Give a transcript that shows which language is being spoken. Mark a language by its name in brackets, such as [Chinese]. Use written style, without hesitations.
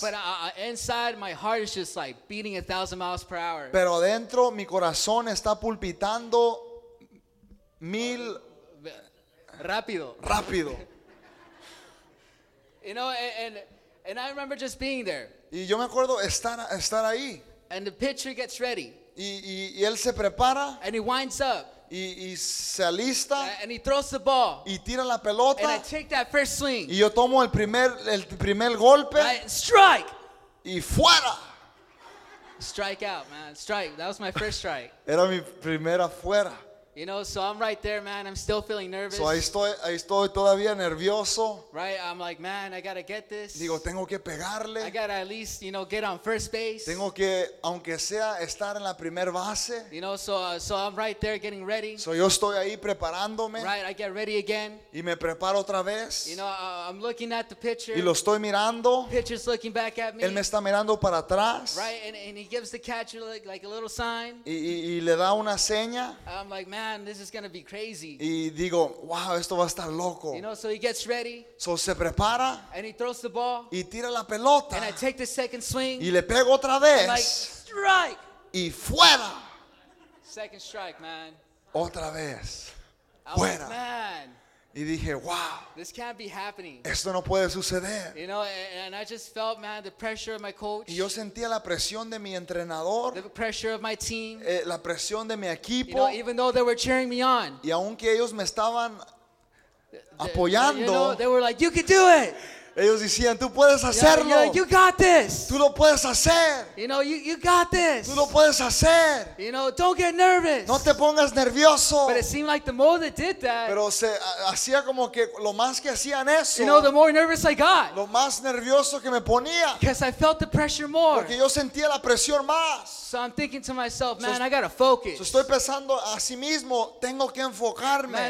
[English] But inside, my heart is just like beating 1,000 miles per hour. [Spanish] Pero adentro, mi corazón está pulpitando mil. Rápido. [English] You know, and I remember just being there. [Spanish] Y yo me acuerdo estar ahí. [English] And the pitcher gets ready. [Spanish] Y él se prepara. [English] And he winds up. [Spanish] Y se alista. [English] And he throws the ball. [Spanish] Y tira la pelota. [English] And I take that first swing. [Spanish] Y yo tomo el primer golpe. [English] Strike. [Spanish] Y fuera. [English] Strike out, man. Strike. That was my first strike. [Spanish] Era mi primera fuera. [English] You know, so I'm right there, man. I'm still feeling nervous. [Spanish] So ahí estoy todavía nervioso. [English] Right, I'm like, man, I gotta get this. [Spanish] Digo, tengo que pegarle. [English] I gotta at least, you know, get on first base. [Spanish] Tengo que, aunque sea, estar en la primer base. [English] You know, so I'm right there getting ready. [Spanish] So yo estoy ahí preparándome. [English] Right, I get ready again. [Spanish] Y me preparo otra vez. [English] You know, I'm looking at the pitcher. [Spanish] Y lo estoy mirando. [English] Pitcher's looking back at me. [Spanish] Él me está mirando para atrás. [English] Right, and he gives the catcher like a little sign. [Spanish] Y le da una seña. [English] I'm like, man. Man, this is gonna be crazy. [Spanish] Y digo, wow, esto va a estar loco. [English] You know, so he gets ready. [Spanish] So se prepara. [English] And he throws the ball. [Spanish] Y tira la pelota. [English] And I take the second swing. [Spanish] Y le pego otra vez. [English] I'm like, strike. [Spanish] Y fuera. [English] Second strike, man. [Spanish] Otra vez. [English] I'm [Spanish] fuera. [English] Like, man. [Spanish] Y dije, wow. [English] This can't be happening. [Spanish] Esto no puede suceder. [English] You know, and I just felt, man, the pressure of my coach. [Spanish] Y yo sentía la presión de mi entrenador. [English] The pressure of my team. [Spanish] La presión de mi equipo. [English] You know, even though they were cheering me on. [Spanish] Y aunque ellos me estaban apoyando. [English] You know, they were like, you can do it. [Spanish] Ellos decían, tú puedes hacerlo. [English] Yeah, you got this. [Spanish] Tú lo puedes hacer. [English] You know, you got this. [Spanish] Tú lo puedes hacer. [English] You know, don't get nervous. [Spanish] No te pongas nervioso. [English] But it seemed like the more they did that. [Spanish] Pero se hacía como que lo más que hacían eso. [English] You know, the more nervous I got. [Spanish] Lo más nervioso que me ponía. [English] Because I felt the pressure more. [Spanish] Porque yo sentía la presión más. [English] So I'm thinking to myself, man, I gotta focus. [Spanish] So estoy pensando a sí mismo, tengo que enfocarme.